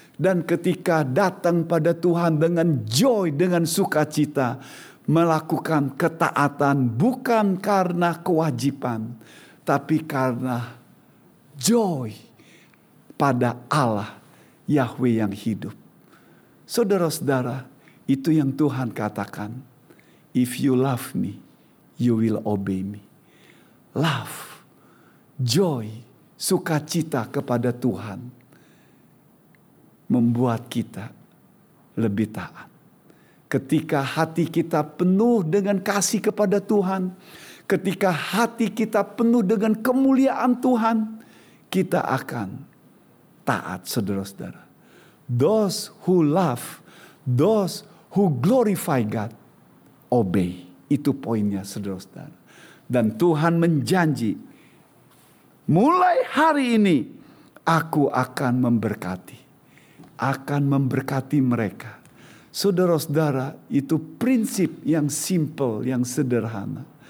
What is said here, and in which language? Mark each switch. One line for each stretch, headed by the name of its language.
Indonesian: Dan ketika datang pada Tuhan dengan joy, dengan sukacita, melakukan ketaatan bukan karena kewajiban, tapi karena joy pada Allah Yahweh yang hidup. Saudara-saudara, itu yang Tuhan katakan.
English: If you love me, you will obey me.
Indonesian: Love, joy, sukacita kepada Tuhan membuat kita lebih taat. Ketika hati kita penuh dengan kasih kepada Tuhan, ketika hati kita penuh dengan kemuliaan Tuhan, kita akan taat, saudara-saudara.
English: Those who love, those who glorify God, obey.
Indonesian: Itu poinnya, saudara-saudara. Dan Tuhan menjanji, mulai hari ini, aku akan memberkati. Akan memberkati mereka. Saudara-saudara, itu prinsip yang simple, yang sederhana.